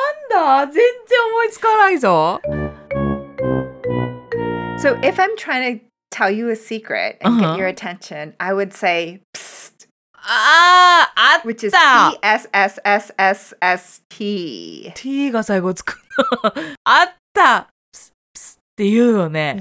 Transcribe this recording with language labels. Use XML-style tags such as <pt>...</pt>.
<ja>なんだ全然思いつかないぞ。</ja> <en>So if I'm trying to tell you a secret and get your attention, I would say, psst.</en> <ja>ああった</ja> <en>Which is P-S-S-S-S-S-T</en> <ja>T が最後つくあったプスプスって言うよね</ja>